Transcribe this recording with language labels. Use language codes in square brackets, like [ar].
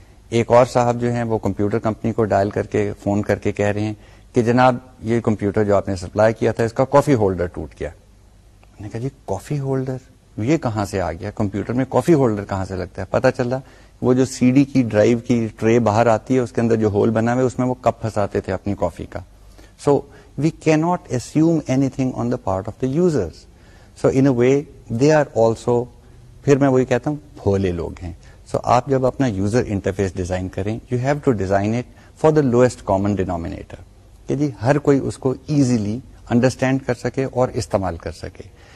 [ur] ایک اور صاحب جو ہیں وہ کمپیوٹر کمپنی کو ڈائل کر کے فون کر کے کہہ رہے ہیں کہ جناب یہ کمپیوٹر جو آپ نے سپلائی کیا تھا اس کا کافی ہولڈر ٹوٹ گیا. میں نے کہا جی کافی ہولڈر یہ کہاں سے آ گیا, کمپیوٹر میں کافی ہولڈر کہاں سے لگتا ہے؟ پتا چلا وہ جو سی ڈی کی ڈرائیو کی ٹرے باہر آتی ہے اس کے اندر جو ہول بنا ہوئے اس میں وہ کپ پھنساتے تھے اپنی کافی کا. [en] So we can not assume anything on the part of the users. So in a way they are also, [ur] پھر میں وہی کہتا ہوں, بھولے لوگ ہیں. سو آپ جب اپنا یوزر انٹرفیس ڈیزائن کریں, [en] you have to design it for the lowest common denominator, [ur] کہ جی ہر کوئی اس کو ایزیلی انڈرسٹینڈ کر سکے اور استعمال کر سکے.